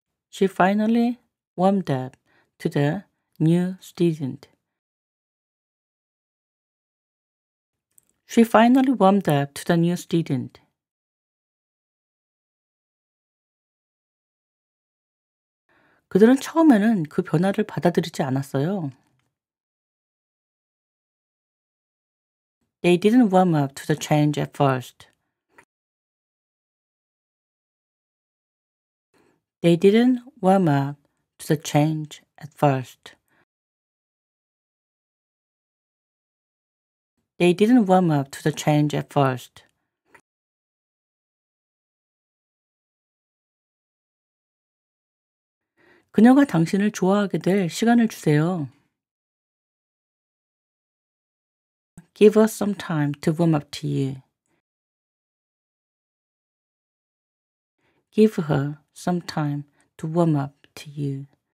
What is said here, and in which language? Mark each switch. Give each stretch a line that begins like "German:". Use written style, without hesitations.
English: She finally warmed up to the new student. She finally warmed up to the new student.
Korean: 그들은 처음에는 그 변화를 받아들이지 않았어요.
English: They didn't warm up to the change at first. They didn't warm up to the change at first. They didn't warm up to the change at first.
Korean: 그녀가 당신을 좋아하게 될 시간을 주세요.
English: Give us some time to warm up to you. Give her some time to warm up to you.